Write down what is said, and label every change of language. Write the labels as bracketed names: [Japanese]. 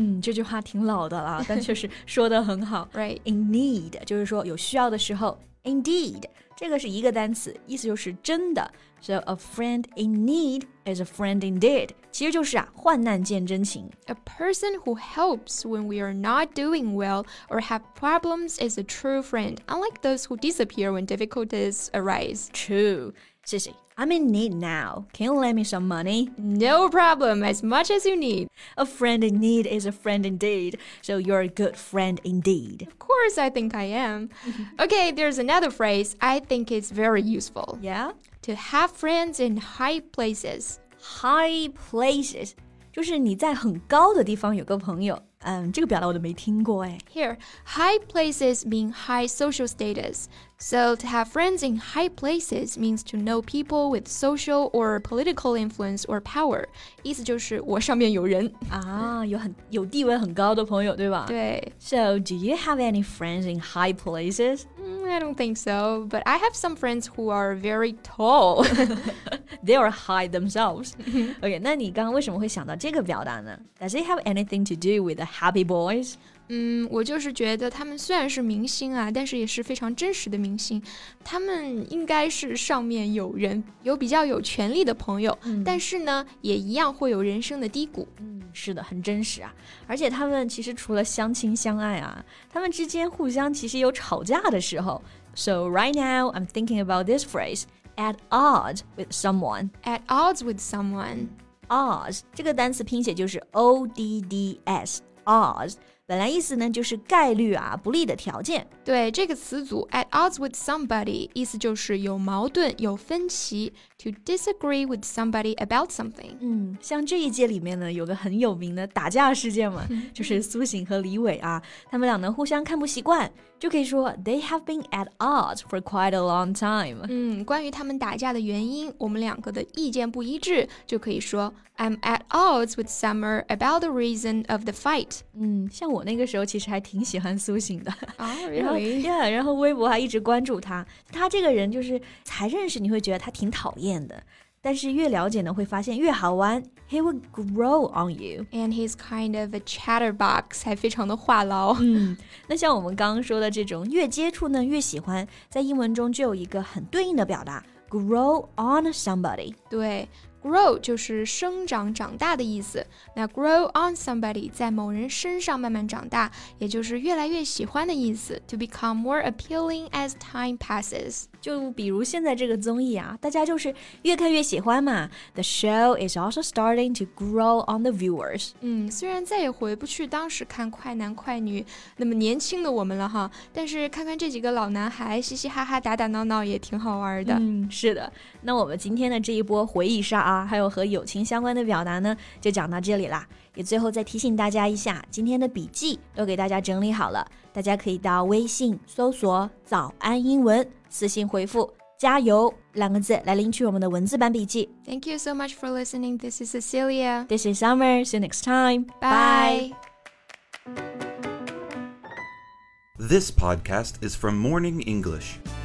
[Chinese] 这句话挺老的了，但确实说得很好。 [English] Right. [Chinese] In need, 就是说有需要的时候。Indeed, 这个是一个单词，意思就是真的。 [English] So a friend in need is a friend indeed. [Chinese] 其实就是啊，患难见真情。 [English] A person who helps when we are not doing well or have problems is a true friend, unlike those who disappear when difficulties arise. True. [Chinese] 谢谢。 [English] I'm in need now. Can you lend me some money? No problem, as much as you need. A friend in need is a friend indeed. So you're a good friend indeed. Of course, I think I am. Okay, there's another phrase I think is very useful. Yeah? To have friends in high places. High places. [Chinese] 就是你在很高的地方有个朋友。这个表达我都没听过哎。 [English] Here, high places mean high social status. So to have friends in high places means to know people with social or political influence or power. [Chinese] 意思就是我上面有人。啊，有地位很高的朋友，对吧？对。 [English] So do you have any friends in high places? I don't think so, but I have some friends who are very tall. They are high themselves. [Chinese] Okay, 那你刚刚为什么会想到这个表达呢？ [English] Does it have anything to do with the happy boys? [Chinese] 我就是觉得他们虽然是明星啊，但是也是非常真实的明星。他们应该是上面有人，有比较有权力的朋友，但是呢，也一样会有人生的低谷。是的，很真实啊。而且他们其实除了相亲相爱啊，他们之间互相其实有吵架的时候。 [English] So right now, I'm thinking about this phrase, at odds with someone. At odds with someone. [Chinese] Odds, 这个单词拼写就是 O-D-D-S, odds. 本来意思呢就是概率啊不利的条件。对这个词组 at odds with somebody, 意思就是有矛盾有分歧 [English] to disagree with somebody about something. [Chinese] 像这一届里面呢有个很有名的打架事件嘛就是苏醒和李伟啊他们俩呢互相看不习惯就可以说 [English] they have been at odds for quite a long time. [Chinese] 关于他们打架的原因我们两个的意见不一致就可以说 [English] I'm at odds with Summer about the reason of the fight. [Chinese] 像我那个时候其实还挺喜欢苏醒的、 [English] really? [Chinese] 然后微博还一直关注他他这个人就是才认识你会觉得他挺讨厌的但是越了解呢会发现越好玩 [English] He would grow on you And he's kind of a chatterbox [Chinese] 还非常的话痨那像我们刚刚说的这种越接触呢越喜欢在英文中就有一个很对应的表达 Grow on somebody 对Grow 就是生长长大的意思那 grow on somebody 在某人身上慢慢长大也就是越来越喜欢的意思 [English] to become more appealing as time passes [Chinese] 就比如现在这个综艺啊大家就是越看越喜欢嘛 [English] The show is also starting to grow on the viewers [Chinese] 虽然再也回不去当时看快男快女那么年轻的我们了哈但是看看这几个老男孩嘻嘻哈哈打打闹闹也挺好玩的是的那我们今天的这一波回忆杀啊、还有和友情相关的表达呢就讲到这里啦也最后再提醒大家一下今天的笔记都给大家整理好了大家可以到微信搜索早安英文私信回复加油两个字来领取我们的文字版笔记 [English] Thank you so much for listening This is Cecilia This is Summer See you next time Bye This podcast is from Morning English